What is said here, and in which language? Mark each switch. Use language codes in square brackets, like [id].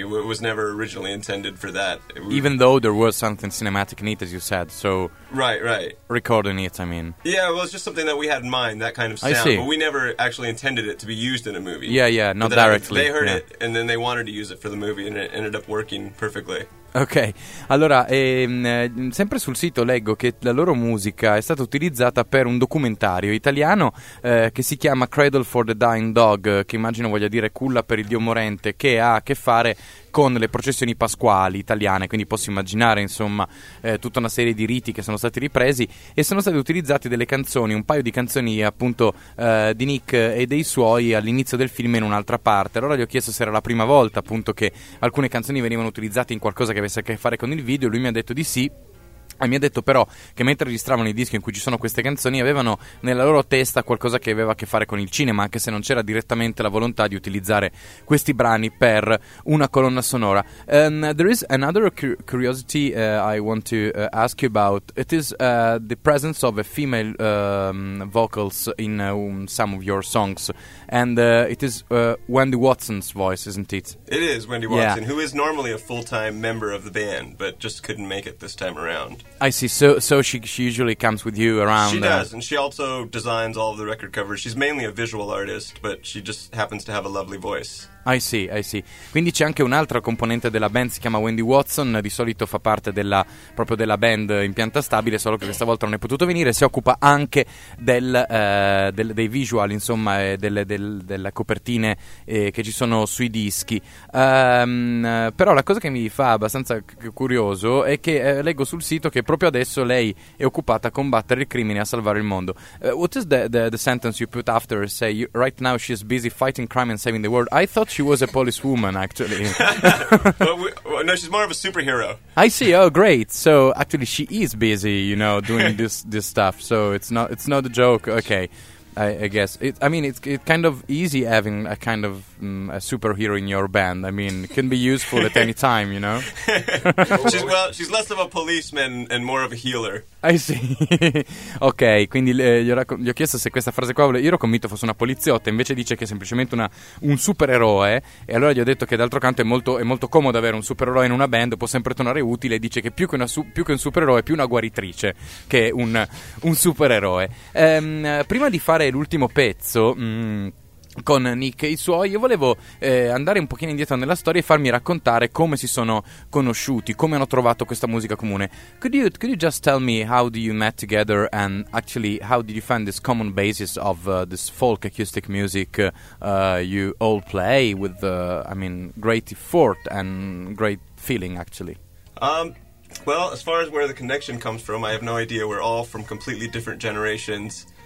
[en] It was never originally intended for that. Even though there was something cinematic in it, as you said, so... Right, right. Recording it, I mean. Yeah, well, it's just something that we had in mind, that kind of sound. I see. But we never actually intended it to be used in a movie. Yeah, yeah, not directly. They heard it, and then they wanted to use it for the movie, and it ended up working perfectly. [it] Ok, allora, sempre sul sito leggo che la loro musica è stata utilizzata per un documentario italiano che si chiama Cradle for the Dying Dog, che immagino voglia dire culla per il dio morente, che ha a che fare con le processioni pasquali italiane, quindi posso immaginare insomma tutta una serie di riti che sono stati ripresi, e sono state utilizzate delle canzoni, un paio di canzoni appunto di Nick e dei suoi all'inizio del film in un'altra parte. Allora gli ho chiesto se era la prima volta appunto che alcune canzoni venivano utilizzate in qualcosa che avesse a che fare con il video. Lui mi ha detto di sì. Mi ha detto però che mentre registravano i dischi in cui ci sono queste canzoni avevano nella loro testa qualcosa che aveva a che fare con il cinema, anche se non c'era direttamente la volontà di utilizzare questi brani per una colonna sonora. [en] There is another curiosity I want to ask you about. It is the presence of a female vocals in some of your songs, and it is Wendy Watson's voice, isn't it? It is Wendy Watson, yeah. Who is normally a full-time member of the band, but just couldn't make it this time around. I see. So she usually comes with you around. She does, and she also designs all of the record covers. She's mainly a visual artist, but she just happens to have a lovely voice. I see. [it] Quindi c'è anche un'altra componente della band, si chiama Wendy Watson, di solito fa parte della band in pianta stabile, solo che questa volta non è potuto venire, si occupa anche dei visual, insomma, delle copertine che ci sono sui dischi. Però la cosa che mi fa abbastanza curioso è che leggo sul sito che proprio adesso lei è occupata a combattere il crimine e a salvare il mondo. [en] What is the sentence you put after? Say, right now she is busy fighting crime and saving the world. I thought she was a police woman, actually. No, she's more of a superhero. I see. Oh, great. So, actually, she is busy, you know, doing this stuff. So, it's not a joke. Okay. I guess. It's kind of easy having a kind of a superhero in your band. I mean, it can be useful at any time, you know? She's less of a policeman and more of a healer. I see. [it] Ok, quindi gli ho chiesto se questa frase qua, io ero convinto fosse una poliziotta, invece dice che è semplicemente un supereroe, e allora gli ho detto che d'altro canto è molto comodo avere un supereroe in una band, può sempre tornare utile, e dice che più che un supereroe è più una guaritrice che un supereroe. Prima di fare l'ultimo pezzo con Nick e i suoi, io volevo andare un pochino indietro nella storia e farmi raccontare come si sono conosciuti, come hanno trovato questa musica comune. [en] Could you just tell me how do you met together, and actually how did you find this common basis of this folk acoustic music you all play with great effort and great feeling, actually? Well, as far as where the connection comes from, I have no idea. We're all from completely different generations.